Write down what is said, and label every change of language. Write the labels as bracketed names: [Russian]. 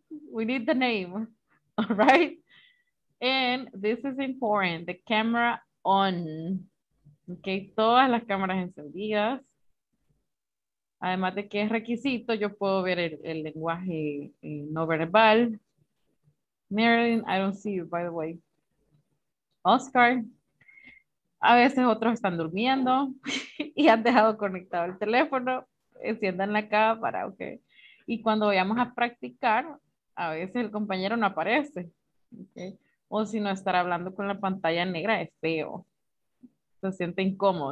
[English] We need the name, all right? And this is important, the camera on. [Spanish] Okay, todas las cámaras encendidas. Además de que es requisito, yo puedo ver el lenguaje no verbal. [English] Marilyn, I don't see you, by the way. [Spanish] Oscar, a veces otros están durmiendo y han dejado conectado el teléfono. Enciendan la cámara, okay. Y cuando vayamos a practicar, a veces el compañero no aparece, okay. O si no, estar hablando con la pantalla negra es feo. Se siente incómodo.